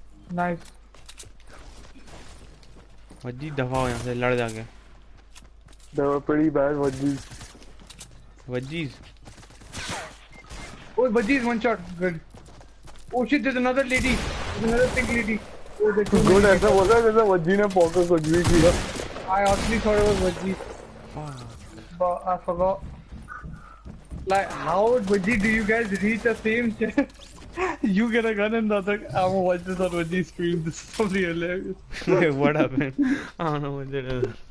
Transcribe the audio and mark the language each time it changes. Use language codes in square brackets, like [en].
[en] Nice. [hi] Vajji, dafa ho yahan se, lad ja ke. [en] They were pretty bad, Vajjis. Vajjis? Oh, Vajjis, one shot. Good. Oh shit, there's another lady. There's another pink lady. [hi] Good, ऐसा हो गया जैसे वज्जी ने poker को जीत लिया. [en] I honestly thought it was Vajji. But I forgot. Like, how Vajji do you guys reach the same chest? You get a gun and the other. I'm gonna watch this on Vajji's stream. This is probably hilarious. Wait, what happened? I don't know.